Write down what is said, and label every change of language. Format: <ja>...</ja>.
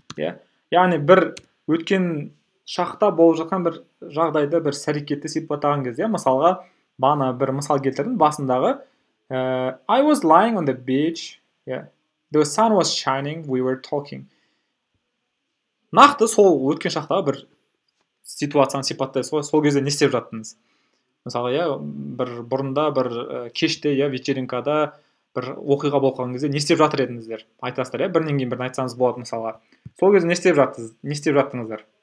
<kk>Яғни бір өткен шақта болып жатқан бір жағдайды, бір сәрекетті сипаттаған кезде, мысалға, бағана бір мысал келтірдім басындағы.</kk> <en>I was lying on the beach. The sun was shining, we were talking.</en> <kk>НАҚТЫ сол өткен шақтағы бір ситуацияны сипаттайды. Сол кезде не істеп жаттыңыз? Мысалы, бір бұрында, бір кеште, вечеринкада бір оқиға болып қалған кезде не істеп жатыр едіңіздер? Айтасыздар, бірінен кейін бірін айтсаңыз болады мысалға. Сол кезде не істеп жаттыңыздар?</kk>